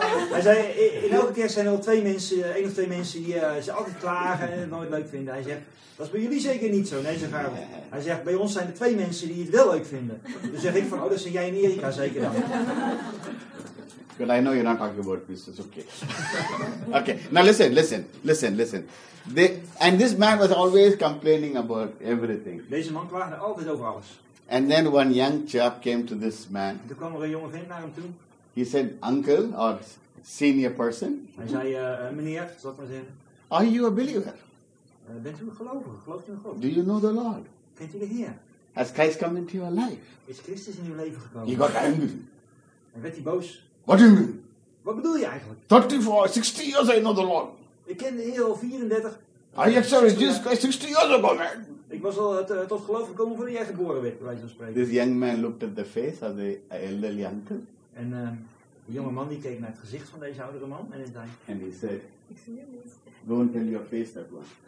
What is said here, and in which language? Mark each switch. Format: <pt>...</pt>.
<nl>Hij zei, in elke kerk zijn er al twee mensen, één of twee mensen die ze altijd klagen en nooit leuk vinden. Hij zegt, dat is bij jullie zeker niet zo. Nee, zijn vader. Hij zegt, bij ons zijn er twee mensen die het wel leuk vinden. Dan zeg ik van, oh, dat zijn jij in Erika zeker dan.</nl> <en>But I know you're not talking about this, it's okay. Okay, now listen. And this man was always complaining about everything.</en> <nl>Deze man klaagde altijd over alles.</nl> <en>And then one young chap came to this man.</en> <nl>Toen kwam er een jonge vriend naar hem toe.</nl> <en>He said, uncle or senior person.</en> <nl>Hij zei, meneer, zal ik maar zeggen.</nl> <en>Are you a believer?</en> <nl>Bent u een gelovige? Gelooft u in God?</nl> <en>Do you know the Lord?</en> <nl>Kent u de Heer?</nl> <en>Has Christ come into your life?</en> <nl>Is Christus in uw leven gekomen?</nl> <en>He got angry.</en> <nl>En werd hij boos.</nl> <en>What do you mean?</en> <nl>Wat bedoel je eigenlijk?</nl> <en>34, 60 years I know the Lord.</en> <nl>Ik ken de Heer al 34.</nl> <en>Are you sorry, Jesus Christ, 60 years ago, man.</en> <nl>Ik was al tot geloof gekomen voordat jij geboren werd, wij zo spreken.</nl> <en>This young man looked at the face of the elderly uncle.</en> <nl>En de jonge man die keek naar het gezicht van deze oudere man en hij zei.</nl> <en>And he said, go and tell your face that one.</en>